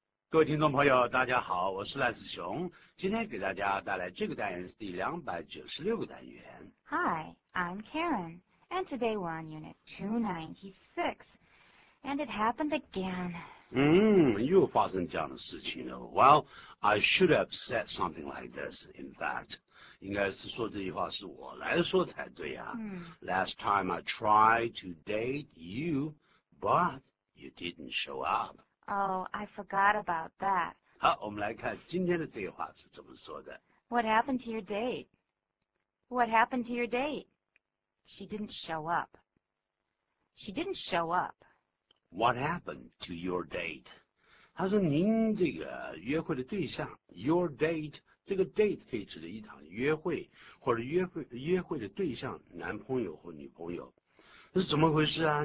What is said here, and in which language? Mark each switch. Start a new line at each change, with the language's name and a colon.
Chinese: 各位听众朋友，大家好，我是赖子熊，今天给大家带来这个单元是第296个单元。
English: Hi, I'm Karen, and today we're on unit 296, and it happened again.
Chinese: 又发生这样的事情了。
English: Well, I should have said something like this, in fact.
Chinese: 应该是说这句话是我来说才对啊。
English: Last time I tried to date you, but you didn't show up. Oh, I forgot about that.
Chinese: 好，我们来看今天的这句话是怎么说的。
English: What happened to your date? What happened to your date? She didn't show up. She didn't show up. What happened to your date?
Chinese: 他说您这个约会的对象 ,your date,这个 date 可以指的一场约会，或者约会的对象，男朋友或女朋友，是怎么回事啊？